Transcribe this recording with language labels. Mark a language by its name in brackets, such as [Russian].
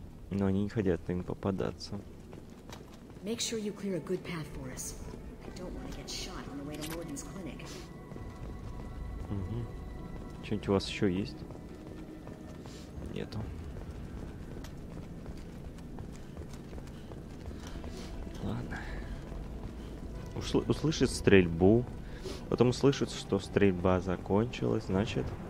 [Russian] Но они не хотят им попадаться. [English] Make sure you clear a good path for us. I don't want to get shot on the way to Morden's clinic. Угу. [Russian] Что-нибудь у вас еще есть? Нету. Ладно. услышит стрельбу, потом услышит, что стрельба закончилась, значит...